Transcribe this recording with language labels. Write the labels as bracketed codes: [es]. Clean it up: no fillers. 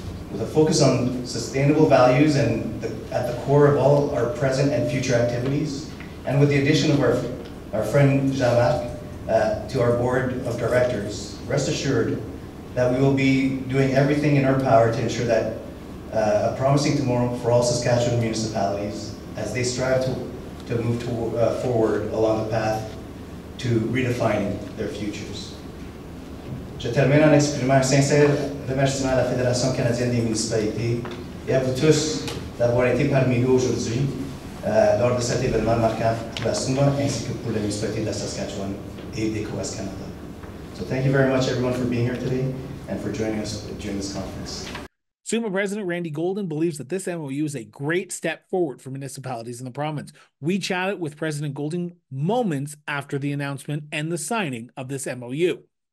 [en] With a focus on sustainable values and at the core of all our present and future activities, and with the addition of our friend Jean-Marc to our board of directors, rest assured that we will be doing everything in our power to ensure that a promising tomorrow for all Saskatchewan municipalities as they strive to move forward along the path to redefining their futures. [fr] Je termine en exprimant un sincère remerciement à la Fédération canadienne des municipalités et à vous tous d'avoir été parmi nous aujourd'hui lors de cet événement marquant pour la SUMA ainsi que pour la municipalité de la Saskatchewan et d'Eco West Canada. [en] So thank you very much everyone for being here today and for joining us during this conference. SUMA President Randy Golden believes that this MOU is a great step forward for municipalities in the province. We chatted with President Golden moments after the announcement and the signing of this MOU.